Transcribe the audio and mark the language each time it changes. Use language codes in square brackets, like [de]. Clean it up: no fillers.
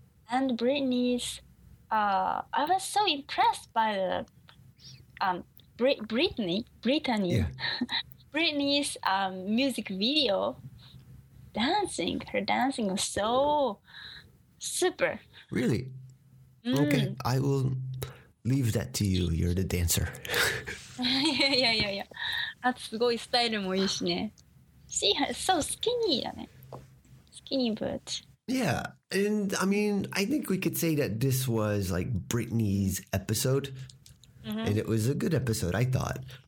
[en] And Britney's, I was so impressed by the, Britney, yeah. Britney's music video, dancing, her dancing was so super. Really? Mm. Okay, I will leave that to you, you're the dancer. Yeah. [ja] あとすごいスタイルもいいしね。 [en] She has so skinny [ja] だね。 [en] Skinny but. Yeah, and I mean, I think we could say that this was like Britney's episode. Mm-hmm. And it was a good episode, I thought.